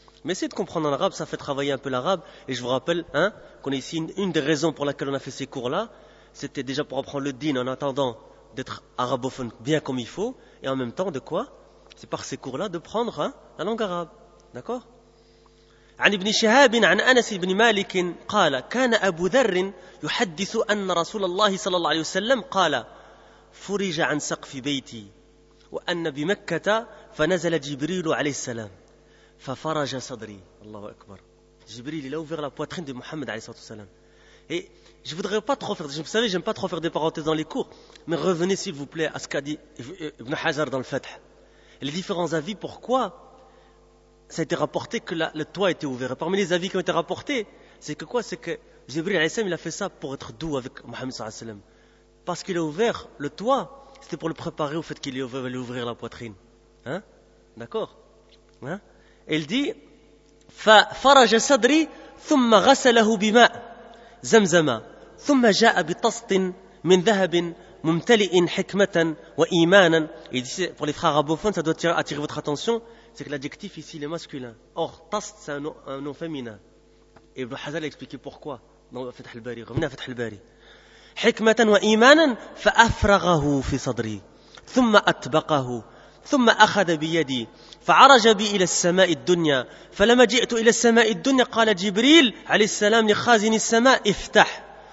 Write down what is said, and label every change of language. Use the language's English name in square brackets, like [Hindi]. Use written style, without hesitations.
[French] Mais essayez de comprendre en arabe, ça fait travailler un peu l'arabe. Et je vous rappelle, hein, qu'on est ici, une des raisons pour laquelle on a fait ces cours-là, c'était déjà pour apprendre le dîn en attendant d'être arabophone bien comme il faut, et en même temps, de quoi? C'est par ces cours-là de prendre, hein, la langue arabe. D'accord? [Arabic] عن ابن شهاب عن أنس بن مالك قال كان أبو ذر يحدث أن رسول الله صلى الله عليه وسلم قال فرج عن سقف بيتي وأن بمكة فنزل جبريل عليه السلام ففرج صدري. الله أكبر. [French] جبريل il a ouvert la poitrine de Mohammed عليه الصلاة والسلام. Et je voudrais pas trop faire, vous savez, j'aime pas trop faire des parenthèses dans les cours, mais revenez s'il vous plaît à ce qu'a dit Ibn Hajar dans le Fath, les différents avis pourquoi ça a été rapporté que le toit a été ouvert. Parmi les avis qui ont été rapportés, c'est que quoi? C'est que Jibril a.s. il a fait ça pour être doux avec Mohammed s.a.s. Parce qu'il a ouvert le toit, c'était pour le préparer au fait qu'il allait ouvrir la poitrine. Hein? D'accord? Hein? Et il dit, [Arabic] فَفَرَجَ سَدْرِ ثُمَّ غَسَلَهُ بِمَا زَمْزَمَا ثُمَّ جَاءَ بِتَصْطٍ مِنْ ذَهَبٍ مُمْتَلِئٍ حِكْمَةً وَإِيمَانًا. [French] Il dit, pour les frères arabophones, ça doit attirer votre attention, c'est que l'adjectif ici, il est masculin. Or, tast, c'est un nom féminin. Et Ibn Hazal a expliqué pourquoi. Dans Fath al-Bari, revenez à Fath al-Bari. [Arabic] حِكْمَةً وَإِيمَانًا فَأَفْرَغَهُ فِي صَدْرِي ثُمَّ أَتْبَقَهُ ثُمَّ أَخَذَ بِيَدِي فَعَرَجَ بِي إِلَى السَّمَاءِ الدُّنْيَا فَلَمَّا جِئْتُ إِلَى السَّمَاءِ الدُّنْيَا قَالَ جِبْرِيلُ عَلَيْهِ السَّلَامُ لِخَازِنِ السَّمَاءِ افْتَحْ